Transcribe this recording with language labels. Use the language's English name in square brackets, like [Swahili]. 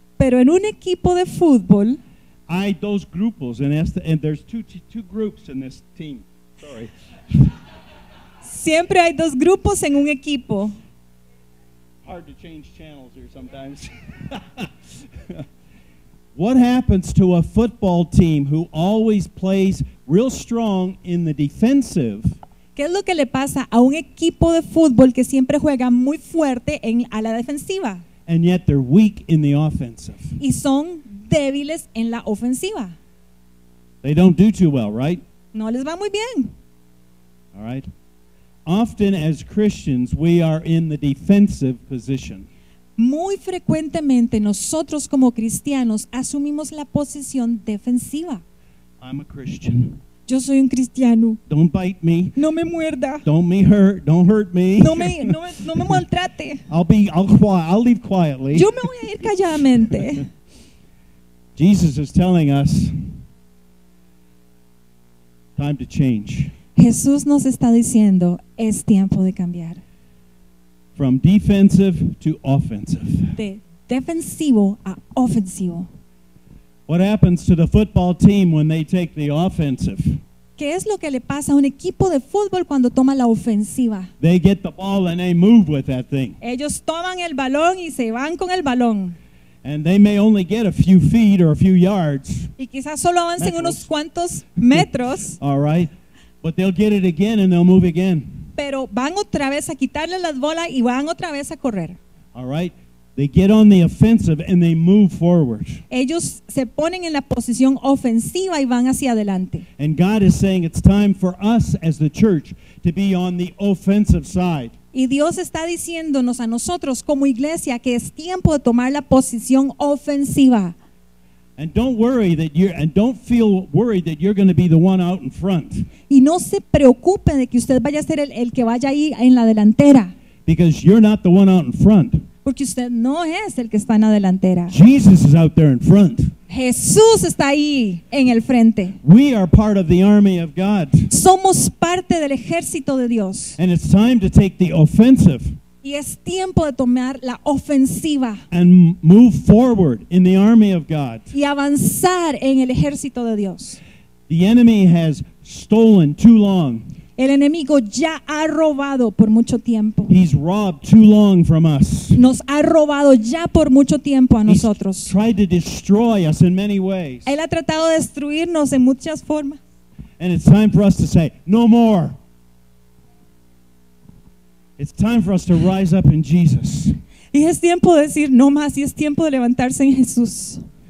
[Spanish] Pero en un equipo de fútbol. Hay dos grupos, [English] and there's two groups in this team. Sorry. [Spanish] Siempre hay dos grupos en un equipo. [English] Hard to change channels here sometimes. What happens to a football team who always plays real strong in the defensive? [Spanish] ¿Qué es lo que le pasa a un equipo de fútbol que siempre juega muy fuerte en a la defensiva? [English] And yet they're weak in the offensive. [Spanish] Y son débiles en la ofensiva. [English] They don't do too well, right? [Spanish] No les va muy bien. [English] All right. Often as Christians, we are in the defensive position. [Spanish] Muy frecuentemente nosotros como cristianos asumimos la posición defensiva. [English] I'm a Christian. [Spanish] Yo soy un cristiano. [English] Don't bite me. [Spanish] No me muerda. [English] Don't hurt me. [Spanish] No me maltrate. [English] I'll leave quietly. [Spanish] Yo me voy a ir calladamente. [English] Jesus is telling us time to change. [Spanish] Jesús nos está diciendo es tiempo de cambiar. [English] From defensive to offensive. [Spanish] De defensivo a ofensivo. [English] What happens to the football team when they take the offensive? [Spanish] ¿Qué es lo que le pasa a un equipo de fútbol cuando toma la ofensiva? [English] They get the ball and they move with that thing. [Spanish] Ellos toman el balón y se van con el balón. [English] And they may only get a few feet or a few yards. [Spanish] Y quizás solo avancen unos cuantos metros. [English] All right. But they'll get it again and they'll move again. [Spanish] Pero van otra vez a quitarle las bolas y van otra vez a correr. [English] All right. They get on the offensive and they move forward. [Spanish] Ellos se ponen en la posición ofensiva y van hacia adelante. [English] And God is saying it's time for us as the church to be on the offensive side. [Spanish] Y Dios está diciéndonos a nosotros como iglesia que es tiempo de tomar la posición ofensiva. [English] And don't feel worried that you're going to be the one out in front. [Spanish] Y no se preocupe de que usted vaya a ser el que vaya ahí en la delantera. [English] Because you're not the one out in front. [Spanish] Porque usted no es el que está en la delantera. [English] Jesus is out there in front. [Spanish] Jesús está ahí en el frente. [English] We are part of the army of God. [Spanish] Somos parte del ejército de Dios. [English] And it's time to take the offensive. [Spanish] Y es tiempo de tomar la ofensiva. [English] And move forward in the army of God. [Spanish] Y avanzar en el ejército de Dios. [English] The enemy has stolen too long. [Spanish] El enemigo ya ha robado por mucho tiempo. [English] He's robbed too long from us. [Spanish] Nos ha robado ya por mucho tiempo a nosotros. [English] He's tried to destroy us in many ways. [Spanish] Él ha tratado de destruirnos en muchas formas. [English] And it's time for us to say, no more. It's time for us to rise up in Jesus. [Spanish] Y es tiempo de decir no más, y es tiempo de levantarse en Jesús.